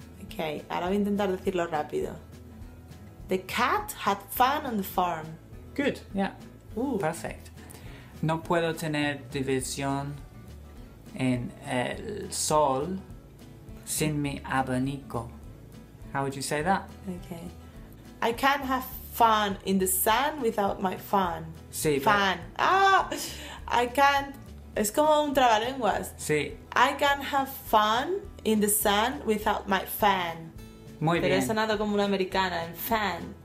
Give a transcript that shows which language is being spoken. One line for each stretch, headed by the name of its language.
English: Okay,
Spanish: ahora voy a intentar decirlo rápido.
English: The cat had fun on the farm. Good, yeah. Ooh. Perfect.
Spanish: No puedo tener diversión en el sol sin mi abanico.
English: How would you say that? Okay. I can't have fun in the sun without my fan.
Spanish: Sí,
English: fan. I can't.
Spanish: Es como un trabalenguas. Sí.
English: I can have fun in the sun without my fan.
Spanish: Muy bien. Pero he sonado como una americana, en fan.